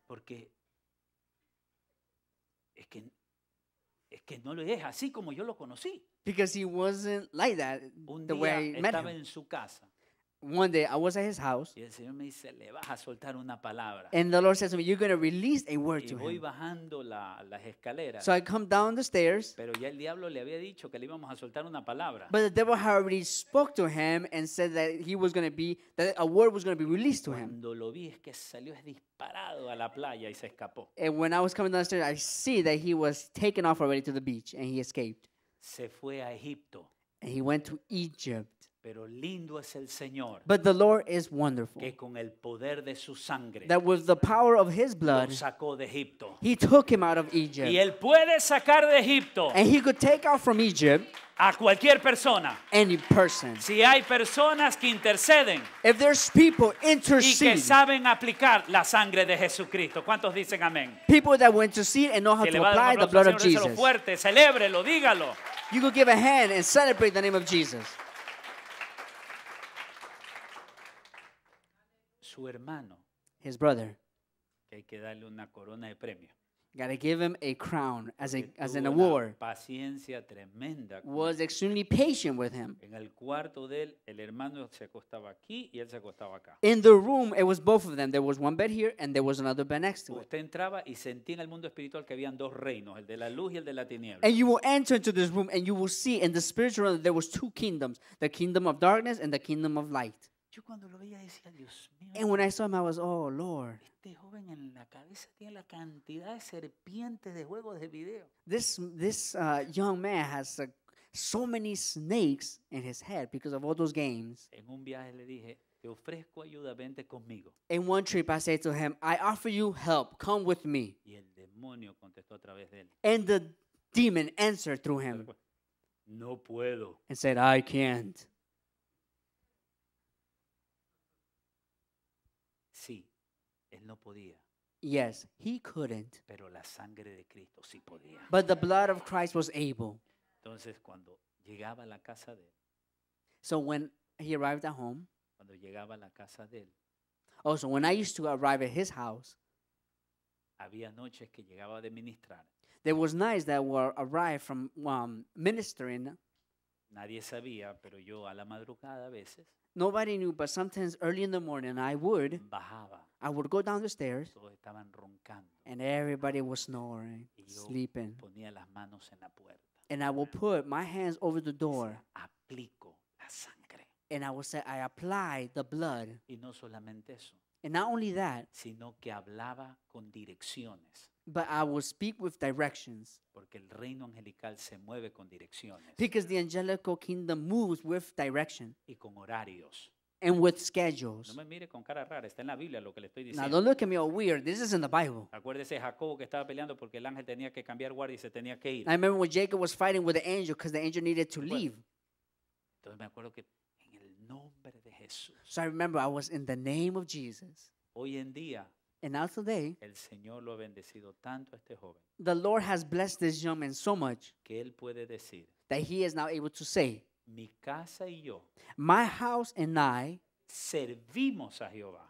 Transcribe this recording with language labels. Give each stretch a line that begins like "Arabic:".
Spanish: Porque es que no lo es así como yo lo conocí.
English: Because he wasn't like that the way I met
Spanish: estaba
English: him.
Spanish: En su casa.
English: One day, I was at his house.
Spanish: Y el Señor me dice, le vas a soltar una palabra.
English: And the Lord says to me, you're going to release a word to him.
Spanish: Y voy bajando las escaleras.
English: So I come down the stairs.
Spanish: Pero ya el diablo le había dicho que le íbamos a soltar una palabra.
English: But the devil had already spoke to him and said that he was going to be, that a word was going to be released to him.
Spanish: Cuando lo vi, es que salió disparado a la playa y se escapó.
English: And when I was coming down the stairs, I see that he was taken off already to the beach and he escaped.
Spanish: Se fue a Egipto.
English: And he went to Egypt.
Spanish: Pero lindo es el Señor.
English: But the Lord is wonderful.
Spanish: Que con el poder de su sangre,
English: that with the power of his blood,
Spanish: lo sacó de Egipto.
English: He took him out of Egypt.
Spanish: Y él puede sacar de Egipto.
English: And he could take out from Egypt
Spanish: a cualquier persona.
English: Any person.
Spanish: Si hay personas que interceden.
English: If there's people interceding.
Spanish: Y que saben aplicar la sangre de Jesucristo. ¿Cuántos dicen amén?
English: People that went to see and know how
Spanish: que
English: to apply the blood of Jesus.
Spanish: Fuerte, celébrelo, dígalo.
English: You could give a hand and celebrate the name of Jesus.
Spanish: Su hermano,
English: his brother,
Spanish: que hay que darle una corona de premio.
English: Got to give him a crown as an award.
Spanish: Paciencia tremenda.
English: Was extremely patient with him.
Spanish: En el cuarto de él, el hermano se acostaba aquí y él se acostaba acá.
English: In the room, it was both of them. There was one bed here and there was another bed next to it.
Spanish: Usted entraba y sentía en el mundo espiritual que habían dos reinos, el de la luz y el de la tiniebla.
English: And you will enter into this room and you will see in the spiritual realm that there was two kingdoms, the kingdom of darkness and the kingdom of light.
Spanish: Yo cuando lo veía decía, Dios mío.
English: And when I saw him, I was, oh, Lord.
Spanish: Este joven en la cabeza tiene la cantidad de serpientes de juegos de video.
English: This young man has so many snakes in his head because of all those games.
Spanish: En un viaje le dije, te ofrezco ayuda, vente conmigo.
English: In one trip, I said to him, I offer you help. Come with me.
Spanish: Y el demonio contestó a través de él.
English: And the demon answered through him.
Spanish: No puedo.
English: And said, I can't.
Spanish: No podía.
English: Yes, he couldn't.
Spanish: Pero la sangre de Cristo sí podía.
English: But the blood of Christ was able.
Spanish: Entonces, cuando llegaba a la casa de él,
English: so when he arrived at home,
Spanish: cuando llegaba a la casa de él,
English: also when I used to arrive at his house,
Spanish: había noches que llegaba de ministrar.
English: There was nights that were arrived from ministering.
Spanish: Nadie sabía, pero yo a la madrugada a veces.
English: Nobody knew, but sometimes early in the morning I would.
Spanish: Bajaba.
English: I would go down the stairs.
Spanish: Todos estaban roncando.
English: And everybody was snoring,
Spanish: y yo
English: sleeping.
Spanish: Ponía las manos en la puerta.
English: And I would put my hands over the door.
Spanish: Sí, aplico la sangre.
English: And I would say, I apply the blood.
Spanish: Y no solamente eso.
English: And not only that.
Spanish: Sino que hablaba con direcciones.
English: But I would speak with directions.
Spanish: Porque el reino angelical se mueve con direcciones.
English: Because the angelical kingdom moves with direction.
Spanish: Y con horarios.
English: And with schedules.
Spanish: No me mire con cara rara. Está en la Biblia lo que le estoy diciendo.
English: Now don't look at me all weird. This is in the Bible.
Spanish: Acuérdese Jacobo que estaba peleando porque el ángel tenía que cambiar guardia y se tenía que ir.
English: I remember when Jacob was fighting with the angel because the angel needed to leave.
Spanish: Entonces me acuerdo que en el nombre de Jesús.
English: So I remember I was in the name of Jesus.
Spanish: Hoy en día.
English: And now today,
Spanish: el Señor lo ha bendecido tanto a este joven,
English: the Lord has blessed this young man so much
Spanish: que él puede decir,
English: that he is now able to say,
Spanish: mi casa y yo,
English: my house and I,
Spanish: servimos a Jehová.